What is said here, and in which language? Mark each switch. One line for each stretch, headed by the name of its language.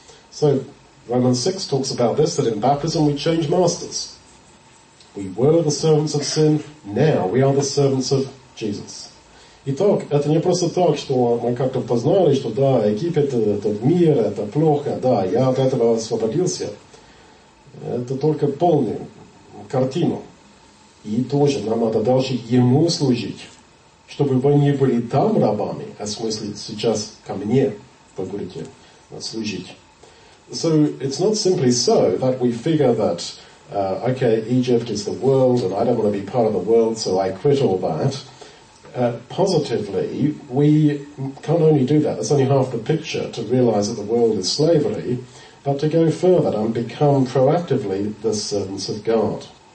English: So, Romans 6 talks about this, that in baptism we change masters. We were the servants of sin, now we are the servants of Jesus.
Russian: Итак, это не просто так, что мы как-то познали, что да, Египет, это мир, это плохо, да, я от этого освободился. Это только полная картина. И тоже нам надо дальше ему служить, чтобы вы не были там рабами, а в смысле сейчас ко мне, вы говорите, служить.
English: So it's not simply so that we figure that okay, Egypt is the world and I don't want to be part of the world, so I quit all that. Positively, we can't only do that. That's only half the picture, to realize that the world is slavery, but to go further and become proactively the servants of God.